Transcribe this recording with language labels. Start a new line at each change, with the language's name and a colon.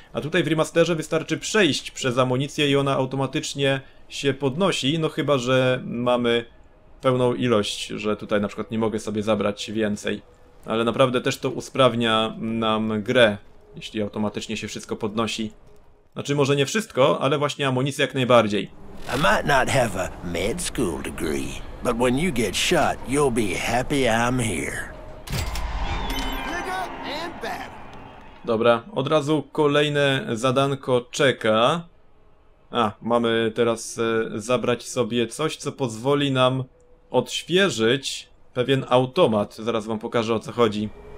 Polish: A tutaj w remasterze wystarczy przejść przez amunicję i ona automatycznie się podnosi, no chyba że mamy pełną ilość, że tutaj na przykład nie mogę sobie zabrać więcej. Ale naprawdę też to usprawnia nam grę, jeśli automatycznie się wszystko podnosi. Znaczy może nie wszystko, ale właśnie amunicję jak najbardziej.
English: I might not have a med school degree, but when you get shot, you'll be happy I'm here.
Polish: Dobra, od razu kolejne zadanko czeka. A, mamy teraz zabrać sobie coś, co pozwoli nam odświeżyć pewien automat. Zaraz wam pokażę, o co chodzi.